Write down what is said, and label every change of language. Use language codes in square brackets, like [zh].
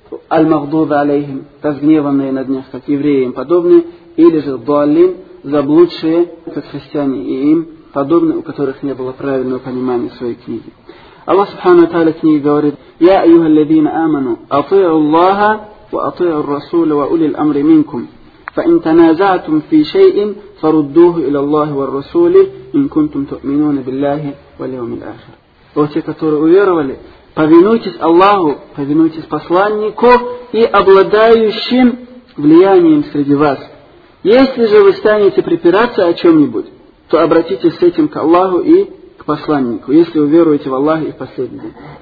[ar] аль-магдуда алейхим, [ru] разгневанные над них, как евреи им подобные, или же дуалин, заблудшие, как христиане и им подобные, у которых не было правильного понимания своей книги. [ar] Аллах Субхану Тааля [ru] книги говорит: [ar] «Я, айюха ладзина аману, атиу Аллаха, ва атиу ар-расула, ва улил амри минкум». فإن تنازعتم في شيء فردوه إلى الله والرسول إن كنتم تؤمنون بالله واليوم الآخر. [ru] Вот те, которые уверовали, повинуйтесь Аллаху, повинуйтесь посланнику и обладающим влиянием среди вас. Если же вы станете препираться о чем-нибудь, то обратитесь с этим к Аллаху и к посланнику, если уверуете в Аллаха и в последний день.